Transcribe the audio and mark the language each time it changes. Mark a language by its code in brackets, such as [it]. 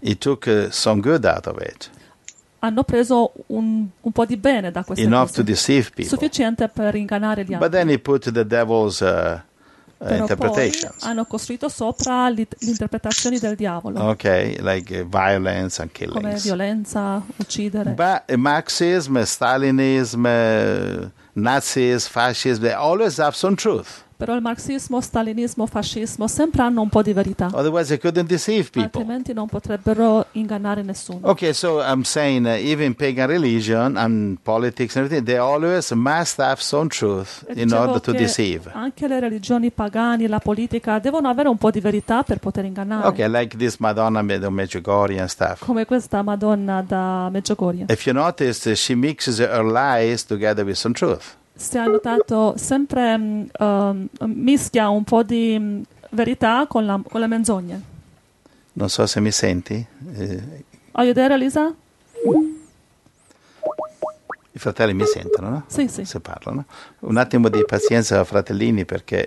[en] He took some good out of it. [it] Hanno preso un po' di bene da queste [en] enough [it] cose. [en] To deceive people. [it] Sufficiente per ingannare gli altri. [en] But then he put the devil's interpretations. [it] Però poi hanno costruito sopra l'interpretazioni del diavolo. [en] Okay, like violence and killings. [it] Come violenza, uccidere. [en] But Marxism, Stalinism, Nazis, fascism, they always have some truth. [it] Però il marxismo, stalinismo, fascismo sempre hanno un po' di verità. [en] Otherwise they couldn't deceive people. [it] Altrimenti non potrebbero ingannare nessuno. [en] Okay, so I'm saying even pagan religion and politics and everything, they always must have some truth in order to deceive. [it] Anche le religioni pagane, la politica, devono avere un po' di verità per poter ingannare. [en] Okay, like this Madonna da Medjugorje and stuff. [it] Come questa Madonna da Medjugorje. [en] If you notice, she mixes her lies together with some truth. [it] Si è notato sempre mischia un po' di verità con le menzogne. Non so se mi senti. [en] Are you there, Lisa? [it] I fratelli mi sentono, no? Sì, sì. Se parlano. Un attimo di pazienza, fratellini, perché